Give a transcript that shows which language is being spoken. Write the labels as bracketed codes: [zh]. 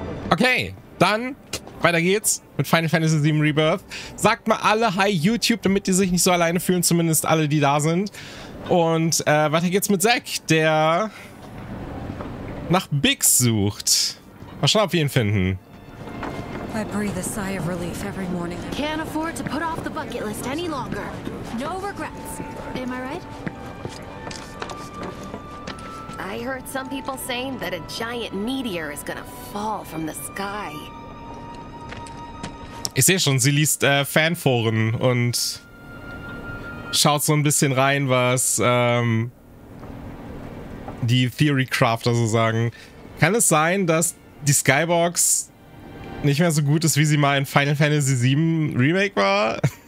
[de] Okay, dann weiter geht's mit Final Fantasy VII Rebirth. Sagt mal alle Hi YouTube, damit die sich nicht so alleine fühlen, zumindest alle, die da sind. Und weiter geht's mit Zack, der nach Biggs sucht. Mal schauen, ob wir ihn finden. [en] I breathe a sigh of relief every morning. Can't afford to put off the bucket list any longer. No regrets. Am I right? I heard some people saying that a giant meteor is gonna fall from the sky. [de] Ich sehe schon, sie liest Fanforen und schaut so ein bisschen rein, was die Theory Crafter so sagen. Kann es sein, dass die Skybox nicht mehr so gut ist, wie sie mal in Final Fantasy VII Remake war?